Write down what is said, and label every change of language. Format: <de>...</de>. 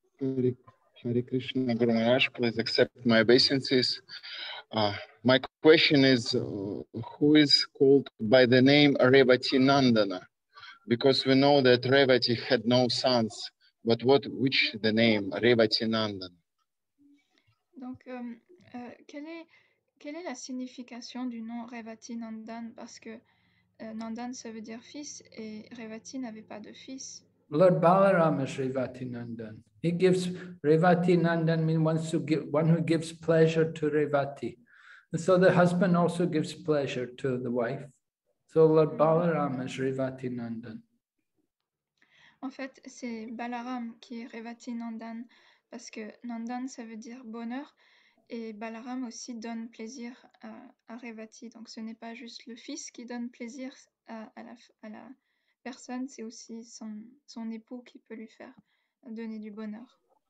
<en>Hare Krishna, Guru Maharaj, please accept my obeisances. My question is, who is called by the name Revati Nandana? Because we know that Revati had no sons, but what, which the name Revati Nandana?</en> <fr>Donc, quelle est la signification du nom Revati Nandana? Parce que Nandana, ça veut dire fils, et Revati n'avait pas de fils.</fr> <en>Lord Balaram is Revati Nandana. He gives Revati Nandan means one who gives pleasure to Revati. And so the husband also gives pleasure to the wife. So Lord Balaram is Revati Nandan.</en> <fr>En fait, c'est Balaram qui est Revati Nandan parce que Nandan, ça veut dire bonheur. Et Balaram aussi donne plaisir à Revati. Donc ce n'est pas juste le fils qui donne plaisir à la personne, c'est aussi son époux qui peut lui faire donner du bonheur.</fr>